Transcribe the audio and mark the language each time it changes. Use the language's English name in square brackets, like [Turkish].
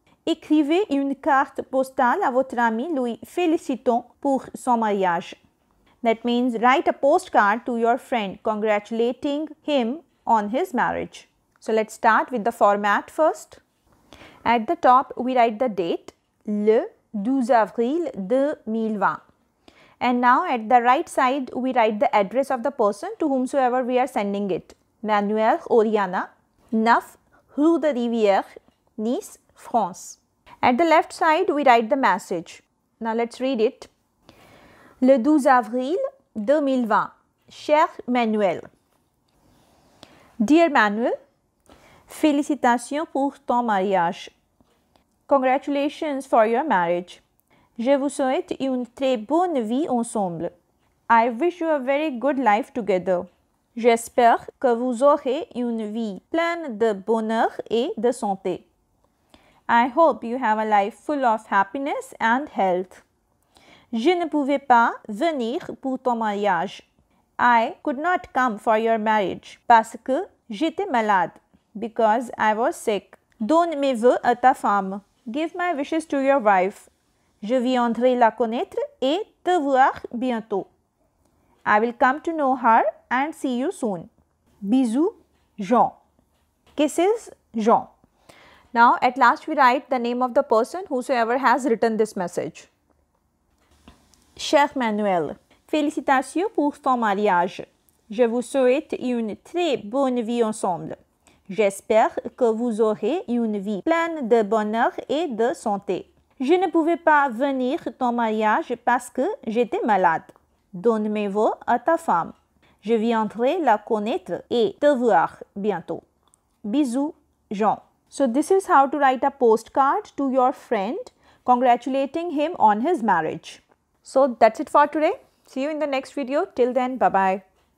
[French] Écrivez une carte postale à votre ami, lui félicitant pour son mariage. [English] That means write a postcard to your friend congratulating him on his marriage. So let's start with the format first. At the top, we write the date, [French] le 12 avril 2020. [English] And now at the right side, we write the address of the person to whomsoever we are sending it. [French] Manuel Oriana, 9 Rue de Rivière, Nice, France. [English] At the left side, we write the message. Now let's read it. [French] Le 12 avril 2020. Cher Manuel. [English] Dear Manuel, [French] félicitations pour ton mariage. [English] Congratulations for your marriage. [French] Je vous souhaite une très bonne vie ensemble. [English] I wish you a very good life together. [French] J'espère que vous aurez une vie pleine de bonheur et de santé. [English] I hope you have a life full of happiness and health. [French] Je ne pouvais pas venir pour ton mariage. [English] I could not come for your marriage [French] parce que j'étais malade. [English] Because I was sick. [French] Donne mes voeux à ta femme. [English] Give my wishes to your wife. [French] Je viendrai la connaître et te voir bientôt. [English] I will come to know her and see you soon. [French] Bisous, Jean. [English] Kisses, Jean. Now, at last we write the name of the person whosoever has written this message. [French] Cher Manuel, félicitations pour ton mariage. Je vous souhaite une très bonne vie ensemble. J'espère que vous aurez une vie pleine de bonheur et de santé. Je ne pouvais pas venir à ton mariage parce que j'étais malade. Donne mes voeux à ta femme. Je viendrai la connaître et te voir bientôt. Bisous, Jean. [English] So this is how to write a postcard to your friend congratulating him on his marriage. So that's it for today. See you in the next video. Till then, bye-bye.